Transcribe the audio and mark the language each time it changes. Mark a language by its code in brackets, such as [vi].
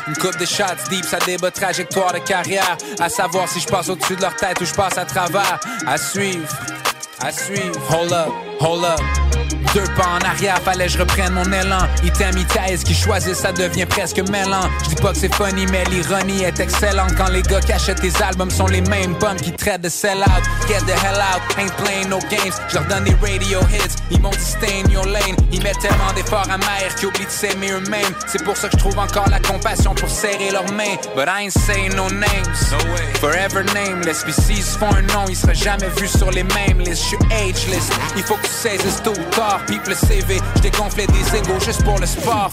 [fr] Une coupe de shots deep, ça débat trajectoire de carrière. À savoir si je passe au-dessus de leur tête ou je passe à travers. À suivre, à suivre. [en] Hold up, hold up. [fr] Deux pas en arrière, fallait je reprenne mon élan. Item, item, ce qu'ils choisissent, ça devient presque mêlant. Je dis pas que c'est funny, mais l'ironie est excellente. Quand les gars qui achètent tes albums sont les mêmes bums qui traitent de sell-out. [en] Get the hell out, ain't playing no games. [fr] Je leur donne des radio hits, ils m'ont dit [en] stay in your lane. [fr] Ils mettent tellement d'efforts amers qu'ils oublient de s'aimer eux-mêmes. C'est pour ça que je trouve encore la compassion pour serrer leurs mains. [en] But I ain't saying no names, no way. Forever nameless, [fr] puis s'ils se font un nom, ils seraient jamais vus sur les mêmes lists. Je suis ageless, il faut que tu saisisses tôt ou tard. Pipe le CV, j't'ai gonflé des égos juste pour le sport.